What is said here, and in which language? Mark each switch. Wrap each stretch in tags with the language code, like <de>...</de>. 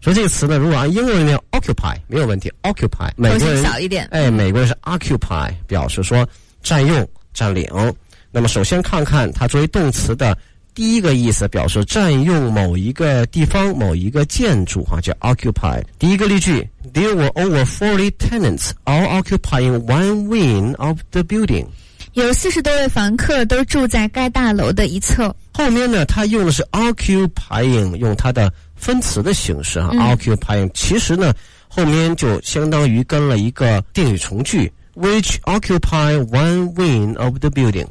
<zh>所以这个词呢，如果按英文里面 occupy, 没有问题 ,occupy, 美国人小一点。哎，美国人是 occupy, 表示说占用占领。那么首先看看它作为动词的第一个意思，表示占用某一个地方某一个建筑啊，叫 occupy。第一个例句，</zh> <en>There were over 40 tenants all occupying one wing of the building.</en> <zh>有40多位房客都住在该大楼的一侧。后面呢他用的是 occupying, 用它的分词的形式啊，occupying 其实呢后面就相当于跟了一个定语从句，</zh> <en>which occupy one wing of the building.</en>